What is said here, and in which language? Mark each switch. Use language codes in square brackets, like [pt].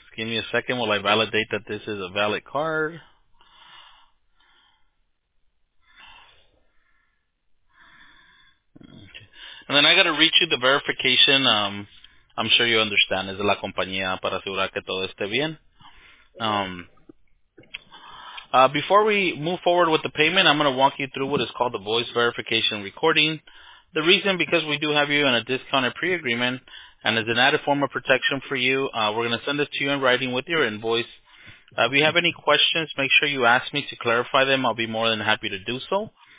[en] Give me a second while I validate that this is a valid card. Okay. And then I got to reach you the verification. I'm sure you understand. [es] Es la compañía para asegurar que todo esté bien. [en] Before we move forward with the payment, I'm going to walk you through what is called the voice verification recording. The reason, because we do have you in a discounted pre-agreement, and as an added form of protection for you, we're going to send this to you in writing with your invoice. If you have any questions, make sure you ask me to clarify them. I'll be more than happy to do so.